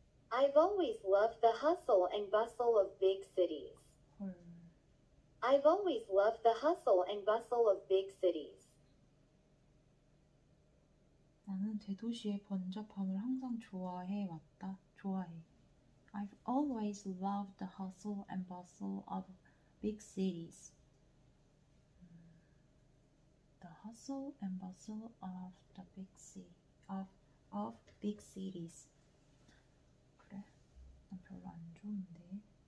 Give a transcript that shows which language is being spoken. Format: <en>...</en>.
<en>'I've always loved the hustle and bustle of big cities. I've always loved the hustle and bustle of big cities.</en> <ko>나는 대도시의 번잡함을 항상 좋아해 왔다. 좋아해.</ko> <en>I've always loved the hustle and bustle of big cities. The hustle and bustle of the big city of big cities.</en> <ko>그래, 난 별로 안 좋은데.</ko>